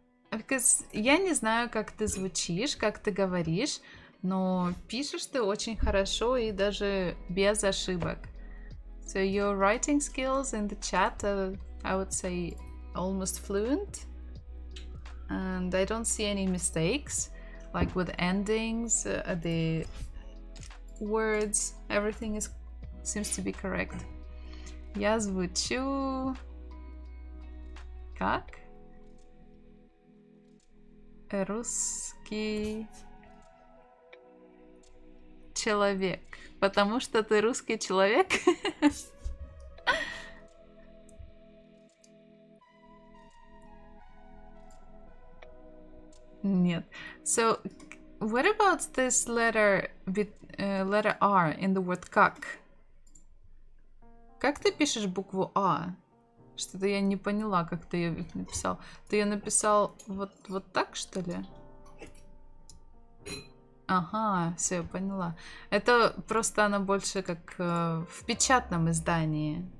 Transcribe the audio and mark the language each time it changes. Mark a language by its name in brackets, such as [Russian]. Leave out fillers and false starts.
[English] Because [Russian] я не знаю, как ты звучишь, как ты говоришь. Но пишешь ты очень хорошо и даже без ошибок. [English] So your writing skills in the chat are, I would say, almost fluent. And I don't see any mistakes, like with endings, the words, everything is seems to be correct. [Russian] Я звучу... Как? Русский... Человек, потому что ты русский человек. Нет. [English] So, what about this letter, letter R in the word как? [Russian] Как ты пишешь букву А? Что-то я не поняла, как ты ее написал. Ты ее написал вот так, что ли? Ага, все, поняла. Это просто она больше как в печатном издании.